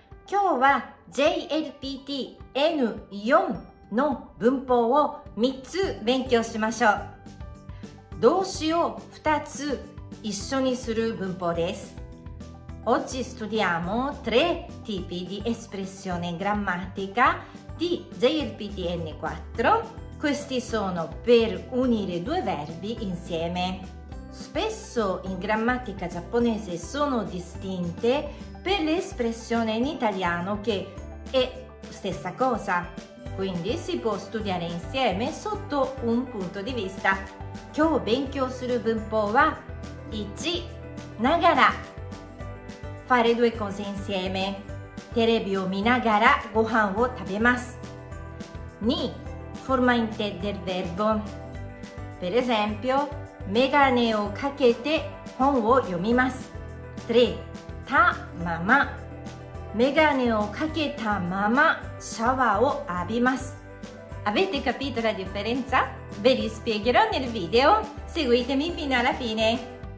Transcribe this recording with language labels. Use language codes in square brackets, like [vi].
[ja] 今日は JLPT-N4 の文法を3つ勉強しましょう。動詞を2つ一緒にする文法です。 [it] Oggi studiamo tre tipi di espressione grammatica di JLPT N4. Questi sono per unire due verbi insieme. Spesso in grammatica giapponese sono distinte per l'espressione in italiano che è stessa cosa. Quindi si può studiare insieme sotto un punto di vista. [ja] 今日勉強する文法は1. [it] ながらFare due cose insieme. [ja] テレビを見ながらご飯を食べます。 [it] 2. Forma in te del verbo. Per esempio, [ja] メガネをかけて本を読みます。 3. たまま。メガネをかけたままシャワーを浴びます。 [it] Avete capito la differenza? Ve li spiegherò nel video. Seguitemi fino alla fine.